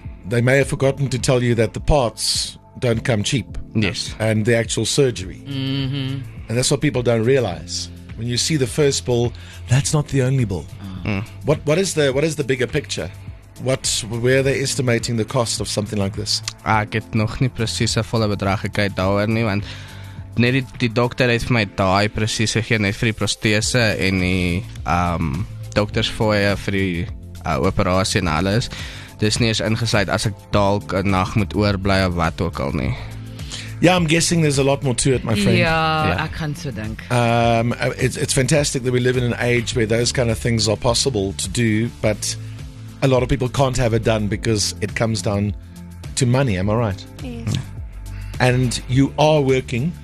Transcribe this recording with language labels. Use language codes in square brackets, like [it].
[en] they may have forgotten to tell you that the parts don't come cheap. Yes. And the actual surgery. Mm-hmm. And that's what people don't realize. When you see the first bill, that's not the only bill. What is the bigger picture? Where are they estimating the cost of something like this? [af] Ek het nog nie presies 'n volle bedrag gekry daaroor nie, want net die dokter het vir my daai presies gegee, net vir die prothese en die doktersfooie vir die operasie en alles. Dis nie eens ingesluit as ek dalk 'n nag moet oorbly of wat ook al nie. [en] Yeah, I'm guessing there's a lot more to it, my friend. Yeah. I can't so think. It's fantastic that we live in an age where those kind of things are possible to do, but a lot of people can't have it done because it comes down to money. Am I right? Yes. And you are working.